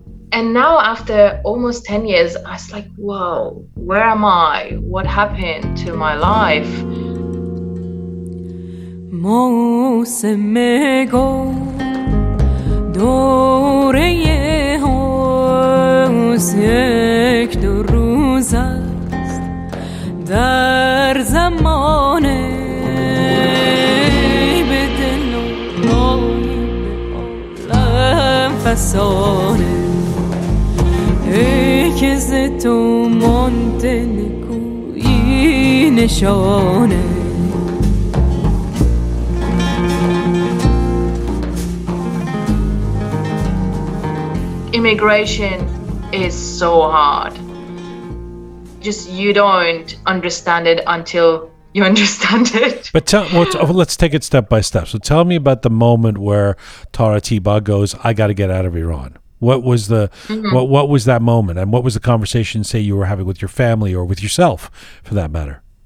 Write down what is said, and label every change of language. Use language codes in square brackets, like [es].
[en] And now, after almost 10 years, I was like, whoa, where am I? What happened to my life? [fa] در زمان به دل و روی عالم فسانه ای که ز تو مانده نکویی نشانه [en] Immigration is so hard. Just you don't understand it until you understand it. But let's take it step by step. So tell me about the moment where Tara Tiba goes, I got to get out of Iran. What was the what was that moment? And what was the conversation, say, you were having with your family or with yourself, for that matter?